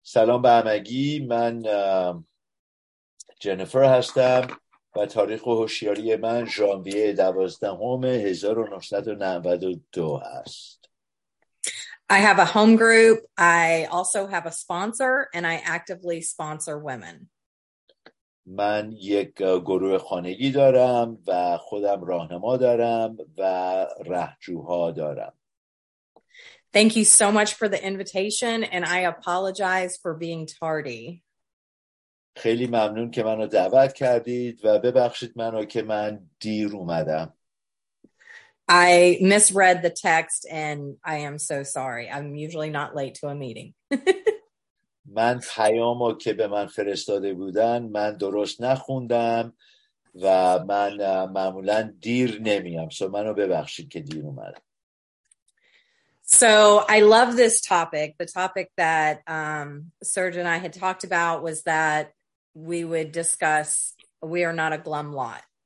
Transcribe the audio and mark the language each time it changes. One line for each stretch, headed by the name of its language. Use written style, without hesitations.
Persian: سلام به همگی، من جنیفر هستم و تاریخ هوشیاری من ژانویه 12 1992 است.
English: I have a home group. I also have a sponsor and I actively sponsor women.
Persian: من یک گروه خانگی دارم و خودم راهنما دارم و رهجوها دارم.
English: Thank you so much for the invitation and I apologize for being tardy.
Persian: خیلی ممنون که منو دعوت کردید و ببخشید منو که من دیر اومدم.
English: I misread the text and I am so sorry. I'm usually not late to a meeting.
Persian: من پیامو که به من فرستاده بودن من درست نخوندم و من معمولا دیر نمیام. So منو ببخشید که دیر اومدم.
English: So I love this topic. The topic that Serge and I had talked about was that we would discuss we are not a glum lot.